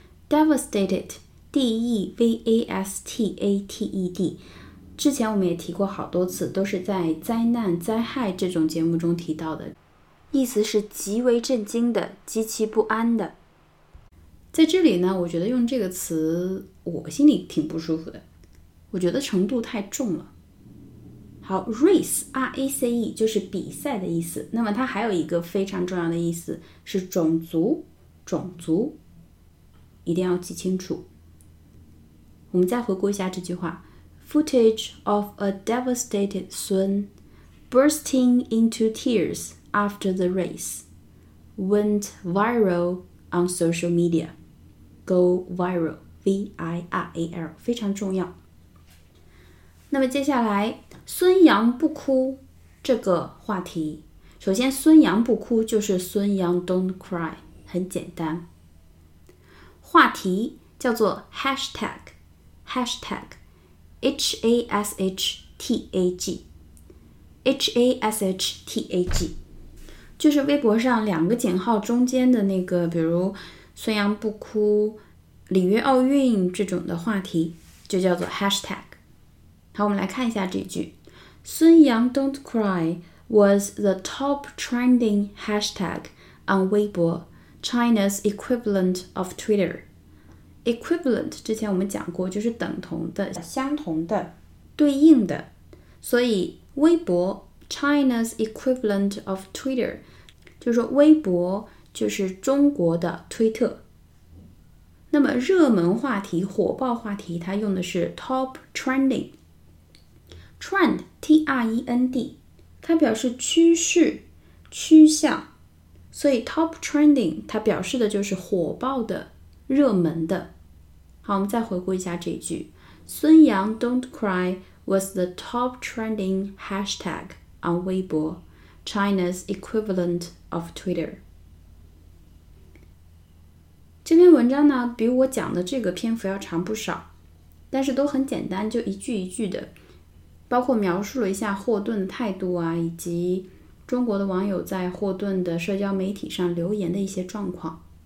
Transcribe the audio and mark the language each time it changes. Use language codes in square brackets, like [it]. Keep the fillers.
[en] Devastated, D E V A S T A T E D. [zh] 之前我们也提过好多次，都是在灾难、灾害这种节目中提到的，意思是极为震惊的、极其不安的。在这里呢，我觉得用这个词我心里挺不舒服的，我觉得程度太重了。好，race r a c e 就是比赛的意思，那么它还有一个非常重要的意思是种族，种族一定要记清楚。我们再回顾一下这句话： [en] Footage of a devastated Sun bursting into tears after the race went viral on social media。 Go viral, V I R A L， [zh] 非常重要。那么接下来，孙杨不哭这个话题，首先，孙杨不哭就是孙杨 [en] Don't cry， [zh] 很简单。话题叫做 Hashtag, Hashtag, H A S H T A G, H A S H T A G，就是微博上两个井号中间的那个，比如。孙杨不哭，里约奥运这种的话题，就叫做 hashtag。好，我们来看一下这句： [en] 孙杨 don't cry was the top trending hashtag on Weibo, China's equivalent of Twitter。 [zh] equivalent 之前我们讲过，就是等同的、相同的、对应的，所以微博 [en] China's equivalent of Twitter Twitter， [zh] 就是说微博。就是中国的推特。那么热门话题、火爆话题，它用的是 top trending trend t r e n d，它表示趋势、趋向，所以 top trending 它表示的就是火爆的、热门的。 [en] 好， [zh] 我们再回顾一下这一句： [en] 孙杨 don't cry was the top trending hashtag on Weibo，China's equivalent of Twitter。 [zh] 这篇文章呢，比我讲的这个篇幅要长不少，但是都很简单，就一句一句的，包括描述了一下霍顿的态度啊，以及中国的网友在霍顿的社交媒体上留言的一些状况。